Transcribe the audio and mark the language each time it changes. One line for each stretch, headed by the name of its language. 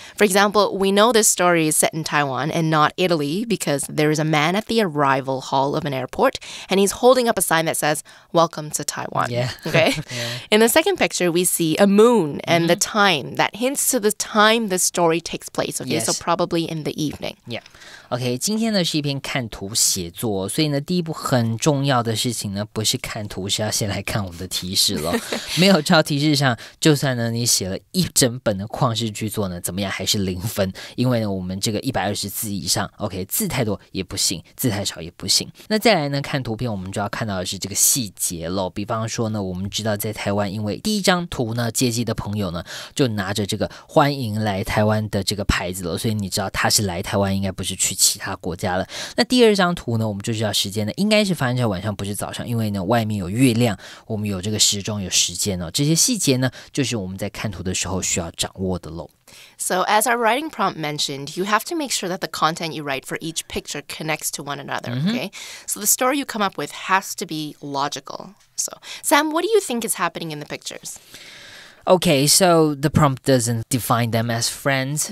English: For example, we know this story is set in Taiwan and not Italy because there is a man at the arrival hall of an airport and he's holding up a sign that says, "Welcome to Taiwan." In the second picture, we see a moon and the time that hints to the time the story takes place. Okay, so probably in the evening.
Chinese: OK, 今天呢是一篇看图写作，所以呢第一步很重要的事情呢不是看图，是要先来看我们的提示了。没有照提示上，就算呢你写了一整本的旷世巨作呢，怎么样还是零分，因为呢我们这个120字以上 ，OK， 字太多也不行，字太少也不行。那再来呢，看图片我们就要看到的是这个细节了。比方说呢，我们知道在台湾，因为第一张图呢接机的朋友呢就拿着这个欢迎来台湾的这个牌子了，所以你知道他是来台湾，应该不是去其他国家了。那第二张图呢，我们就知道时间呢应该是发生在晚上，不是早上，因为呢外面有月亮，我们有这个时钟，有时间哦。这些细节呢就是我们在看图的时候需要掌握的咯。
English: So as our writing prompt mentioned, you have to make sure that the content you write for each picture connects to one another, okay? So the story you come up with has to be logical. So Sam, what do you think is happening in the pictures? Okay, so the prompt doesn't define them as friends.